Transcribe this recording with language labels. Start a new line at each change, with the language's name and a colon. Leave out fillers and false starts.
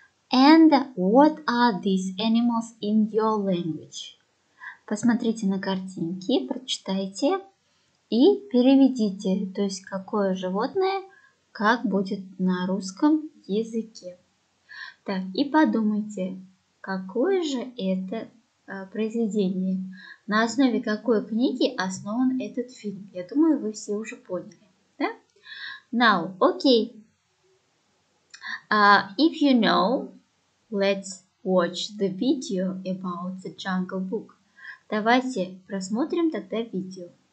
English: And what are these animals in your language?
Russian: Посмотрите на картинки, прочитайте и переведите. То есть, какое животное, как будет на русском языке. Так, и подумайте, какое же это произведение? На основе какой книги основан этот фильм? Я думаю, вы все уже поняли. Да?
English: Now, okay. If you know, let's watch the video about the Jungle Book.
Russian: Давайте просмотрим тогда видео.